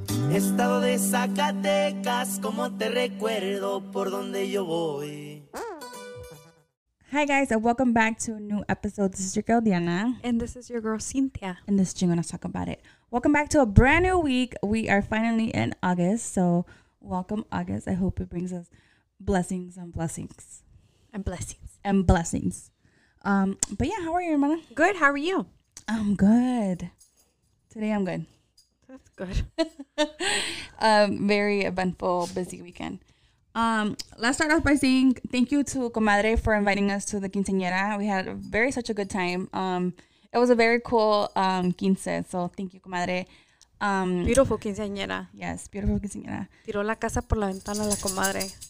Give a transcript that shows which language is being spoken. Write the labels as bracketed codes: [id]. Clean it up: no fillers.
[es] Estado de Zacatecas, como te recuerdo por donde yo voy. [en] Hi guys, and welcome back to a new episode. This is your girl Diana. And this is your girl Cynthia. And this is June, let's talk about it. Welcome back to a brand new week. We are finally in August, so welcome August. I hope it brings us blessings and blessings. And blessings. And blessings. But yeah, how are you, Hermana? Good, how are you? I'm good. Today I'm good. That's good. Very eventful, busy weekend. Let's start off by saying thank you to Comadre for inviting us to the quinceañera. We had such a good time. It was a very cool quince, so thank you, Comadre. Beautiful quinceañera. Yes, beautiful quinceañera. [es] Tiró la casa por la ventana la comadre.